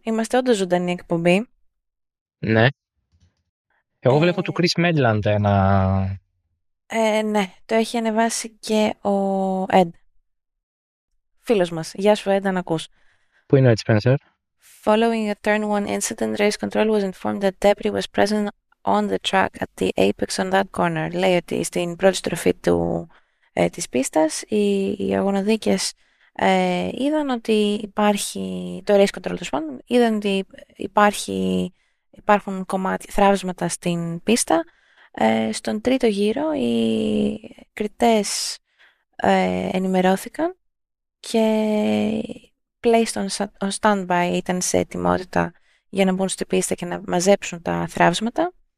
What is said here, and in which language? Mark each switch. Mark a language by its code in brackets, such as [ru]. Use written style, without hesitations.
[el] Είμαστε όντως ζωντανή εκπομπή. Ναι. Εγώ βλέπω του Chris Medland ένα... Ναι, το έχει ανεβάσει και ο Ed. Φίλος μας. Γεια σου, Ed, αν ακούς. Πού είναι ο Ed Spencer? [en] Following a turn one incident, race control was informed that debris was present on the track at the apex on that corner. [el] Λέει ότι στην πρώτη στροφή του, της πίστας, οι αγωνοδίκες είδαν ότι υπάρχει... Το race control, τους πάντων, είδαν ότι υπάρχει... Υπάρχουν κομμάτια, θράψματα στην πίστα. Στον τρίτο γύρο οι κριτές ενημερώθηκαν και [en] placed on standby, [el] ήταν σε ετοιμότητα για να μπουν στην πίστα και να μαζέψουν τα θράψματα.